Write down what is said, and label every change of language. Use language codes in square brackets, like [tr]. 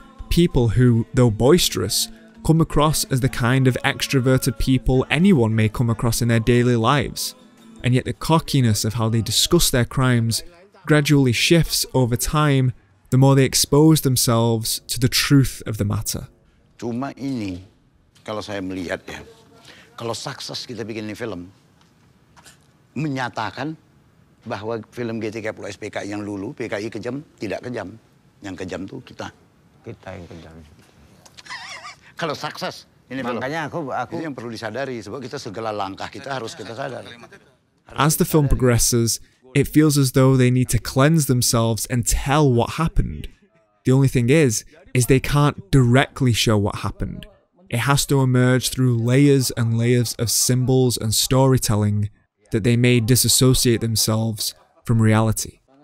[en] People who, though boisterous, come across as the kind of extroverted people anyone may come across in their daily lives. And yet the cockiness of how they discuss their crimes gradually shifts over time the more they expose themselves to the truth of the matter. [id] Cuma ini, kalau saya melihat ya, kalau sukses kita bikin ini film, menyatakan bahwa film G30 PKI yang lulu, PKI kejam, tidak kejam. Yang kejam itu kita. Kita yang kejam. Kalau sukses, ini makanya aku ini yang perlu disadari, sebab kita segala langkah kita harus kita sadar. [en] As the film progresses, it feels as though they need to cleanse themselves and tell what happened. The only thing is they can't directly show what happened. It has to emerge through layers and layers of symbols and storytelling that they may disassociate themselves from reality.